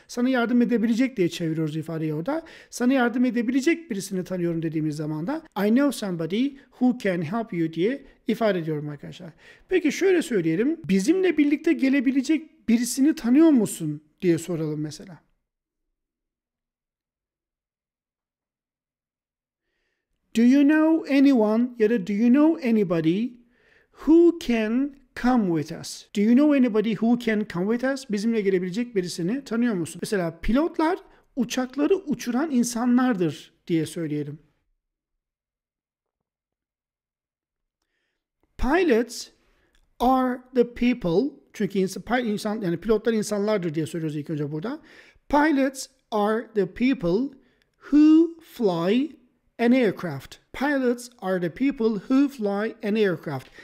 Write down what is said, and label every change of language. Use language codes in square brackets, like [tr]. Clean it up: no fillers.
[tr] Sana yardım edebilecek diye çeviriyoruz ifadeyi orada. Sana yardım edebilecek birisini tanıyorum dediğimiz zaman da [en] I know somebody who can help you [tr] diye ifade ediyorum arkadaşlar. Peki şöyle söyleyelim. Bizimle birlikte gelebilecek birisini tanıyor musun diye soralım mesela. [en] Do you know anyone [tr] ya da [en] do you know anybody who can come with us. Do you know anybody who can come with us? [tr] Bizimle gelebilecek birisini tanıyor musun? Mesela pilotlar uçakları uçuran insanlardır diye söyleyelim. [en] Pilots are the people. [tr] Çünkü insan yani pilotlar insanlardır diye söylüyoruz ilk önce burada. [en] Pilots are the people who fly an aircraft. Pilots are the people who fly an aircraft.